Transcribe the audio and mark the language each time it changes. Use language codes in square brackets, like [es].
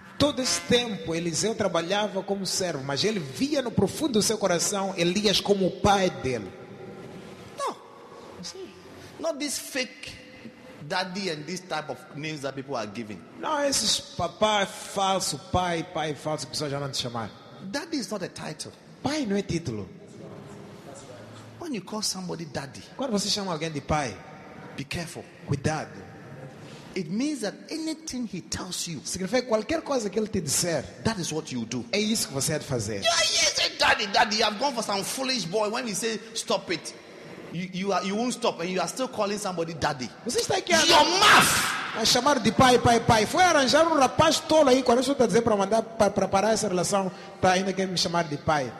[pt] Todo esse tempo, Eliseu trabalhava como servo, mas ele via no profundo do seu coração Elias como o pai dele. [en] No. Not this fake daddy and this type of names that people are giving. [pt] Não, esses pai falso, pessoas já não te chamar. [en] Daddy is not a title. [pt] Pai não é título. [en] When you call somebody daddy, [pt] quando você chama alguém de pai, [en] be careful. [pt] Cuidado. [en] It means that anything he tells you, [pt] significa qualquer coisa que ele te disser, [en] that is what you do. [pt] É isso que você há de fazer. [en] Yes, daddy, I've gone for some foolish boy. When he says stop it, You won't stop, and you are still calling somebody daddy. [pt] Você está aqui, [en] your mouth. [pt] A chamar de pai. Foi arranjar rapaz tolo aí. Quando eu estou a dizer para mandar para parar essa relação, para ainda quer me chamar de pai.